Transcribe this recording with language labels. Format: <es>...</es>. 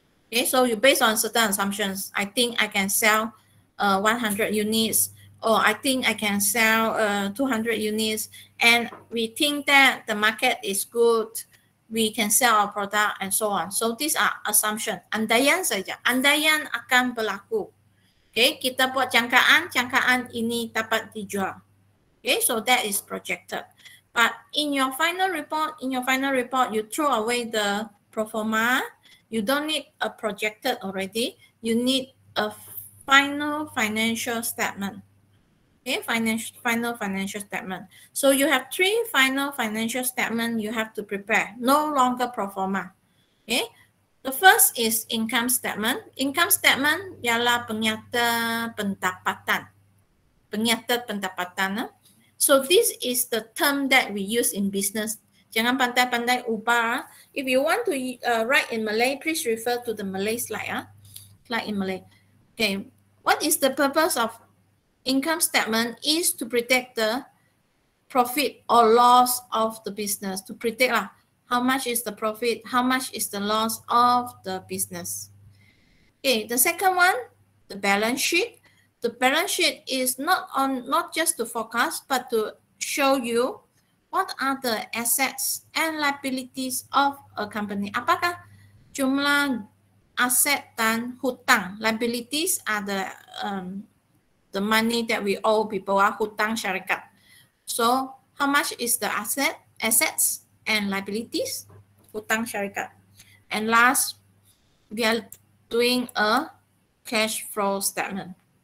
<en>Okay, so you based on certain assumptions. I think I can sell 100 units, or I think I can sell 200 units, and we think that the market is good, we can sell our product, and so on. So these are assumptions.</en> <ms>Andaian saja. Andaian akan berlaku. Okay, kita buat jangkaan, jangkaan ini dapat dijual.</ms> <en>Okay, so that is projected. But in your final report, you throw away the pro forma. You don't need a projected already. You need a final financial statement. Okay, final financial statement. So you have three final financial statements you have to prepare. No longer pro forma. Okay. The first is income statement.</en> <ms>Income statement ialah pernyata pendapatan. Pernyata pendapatan.</ms> <en>So this is the term that we use in business.</en> <ms>Jangan pandai-pandai ubah.</ms> <en>If you want to write in Malay, please refer to the Malay slide. Slide in Malay. Okay. What is the purpose of income statement? Is to predict the profit or loss of the business. To predict lah. How much is the profit? How much is the loss of the business? Okay, the second one, the balance sheet. The balance sheet is not just to forecast, but to show you what are the assets and liabilities of a company.</en> <ms>Apakah jumlah aset dan hutang?</ms> <en>Liabilities are the money that we owe people,</en> <ms>hutang syarikat.</ms> <en>So how much is the assets? And liabilities,</en> <ms>hutang syarikat.</ms> <en>And last, we are doing a cash flow statement.</en>